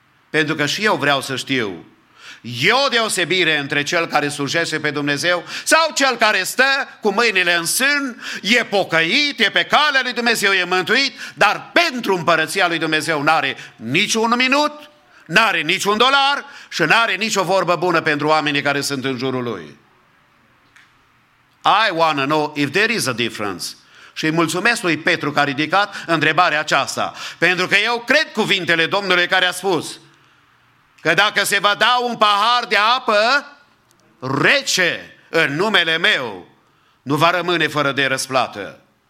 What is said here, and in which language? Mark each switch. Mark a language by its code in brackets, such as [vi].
[ro] Pentru că și eu vreau să știu, e o deosebire între cel care slujește pe Dumnezeu sau cel care stă cu mâinile în sân, e pocăit, e pe calea lui Dumnezeu, e mântuit, dar pentru împărăția lui Dumnezeu n-are niciun minut, n-are niciun dolar și n-are nicio vorbă bună pentru oamenii care sunt în jurul lui. [en] I want to know if there is a difference. [ro] Și îi mulțumesc lui Petru că a ridicat întrebarea aceasta, pentru că eu cred cuvintele Domnului care a spus că dacă se va da un pahar de apă rece în numele meu, nu va rămâne fără de răsplată.